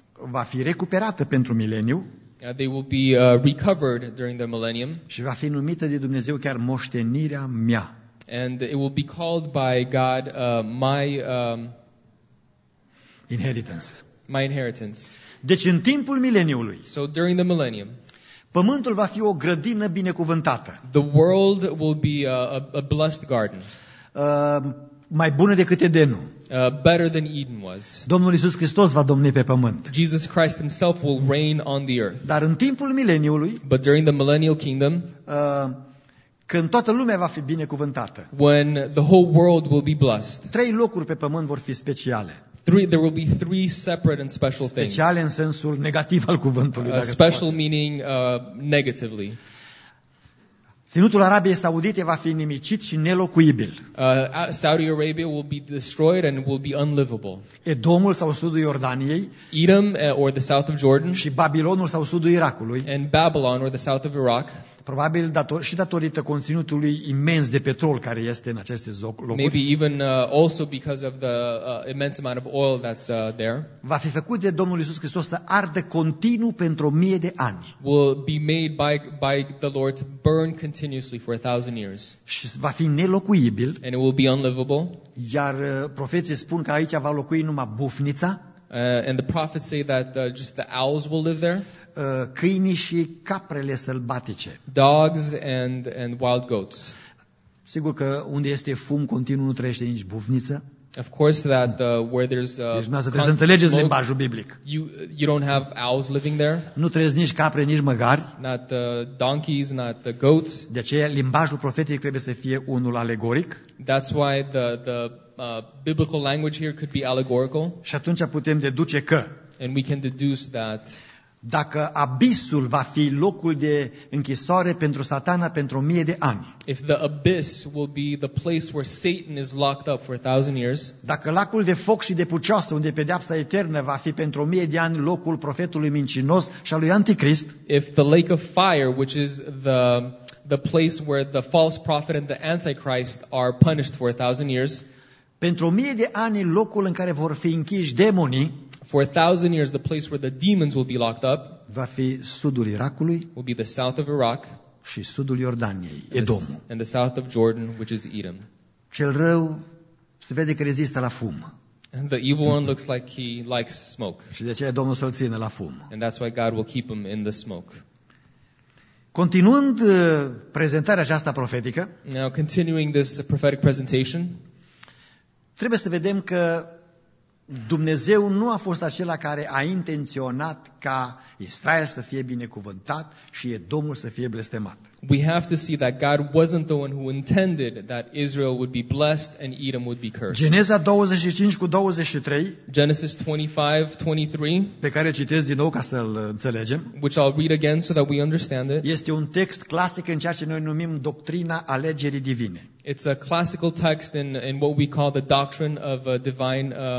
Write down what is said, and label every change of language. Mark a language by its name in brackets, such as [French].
[Romanian] va fi recuperată pentru mileniu. [English] They will be recovered during the millennium. [Romanian] Și va fi numită de Dumnezeu chiar moștenirea mea. [English] And it will be called by God my inheritance. My inheritance. [Romanian] Deci în timpul mileniului. [English] So during the millennium. [Romanian] Pământul va fi o grădină binecuvântată. [English] The world will be a blessed garden. [Romanian] Mai bună decât Edenul. [English] Better than Eden was. [Romanian] Domnul Iisus Hristos va domni pe pământ. [English] Jesus Christ himself will reign on the earth. [Romanian] Dar în timpul mileniului. [English] But during the millennial kingdom. [Romanian] Când toată lumea va fi binecuvântată. [English] When the whole world will be blessed. [Romanian] Trei locuri pe pământ vor fi speciale. [English] There will be three separate and special things. [Romanian] Speciale în sensul negativ al cuvântului. [English] Special meaning negatively. [Romanian] Ținutul Arabiei Saudite va fi nimicit și nelocuibil. [English] Saudi Arabia will be destroyed and will be unlivable. [Romanian] Edomul sau sudul Iordaniei. [English] Edom or the south of Jordan. [Romanian] Și Babilonul sau sudul Irakului. [English] And Babylon or the south of Iraq. [Romanian] Probabil și datorită conținutului imens de petrol care este în aceste locuri. [English] Maybe even also because of the immense amount of oil that's there. [Romanian] Va fi făcut de Domnul Iisus Hristos să ardă continuu pentru 1000 de ani. [English] Will be made by the Lord to burn continuously for 1000 years. [Romanian] Și va fi nelocuibil. [English] And it will be unlivable. [Romanian] Iar profeții spun că aici va locui numai bufnița. [English] And the prophets say that just the owls will live there. [Romanian] Câinii și caprele sălbatice. [English] Dogs and wild goats. [Romanian] Sigur că unde este fum continuu nu trăiește nici bufniță. [English] Of course that where there's [Romanian] trebuie să înțelegeți limbajul biblic. [English] You don't have owls living there. [Romanian] Nu trăiesc nici capre, nici măgari. [English] Not donkeys, not the goats. [Romanian] De aceea limbajul profetic trebuie să fie unul alegoric. [English] That's why the biblical language here could be allegorical. [Romanian] Și atunci putem deduce că [English] and we can deduce that [Romanian] dacă abisul va fi locul de închisoare pentru Satana pentru 1000 de ani. [English] If the abyss will be the place where Satan is locked up for 1000 years. [Romanian] Dacă lacul de foc și de pucioasă unde pedeapsa eternă va fi pentru 1000 de ani locul profetului mincinos și al lui Anticrist. [English] If the lake of fire, which is the place where the false prophet and the Antichrist are punished for 1000 years. [Romanian] Pentru 1000 de ani locul în care vor fi închiși demonii. [English] For a thousand years, the place where the demons will be locked up [Romanian] va fi sudul Irakului, [English] will be the south of Iraq [Romanian] și sudul Iordaniei, Edom. [English] And the south of Jordan, which is Edom. [Romanian] Cel rău se vede că rezistă la fum. [English] And the evil one looks like he likes smoke. [Romanian] Și de aceea Domnul să-l țină la fum. [English] And that's why God will keep him in the smoke. [Romanian] Continuând prezentarea aceasta profetică, [English] now, continuing this prophetic presentation, [Romanian] trebuie să vedem că Dumnezeu nu a fost acela care a intenționat ca Israel să fie binecuvântat și Edomul să fie blestemat. [English] We have to see that God wasn't the one who intended that Israel would be blessed and Edom would be cursed. [Romanian] Geneza 25:23. [English] Genesis 25:23. [Romanian] Pe care citesc din nou ca să-l înțelegem. [English] Which I'll read again so that we understand it. [Romanian] Este un text clasic în ceea ce noi numim doctrina alegerii divine. [English] It's a classical text in what we call the doctrine of a divine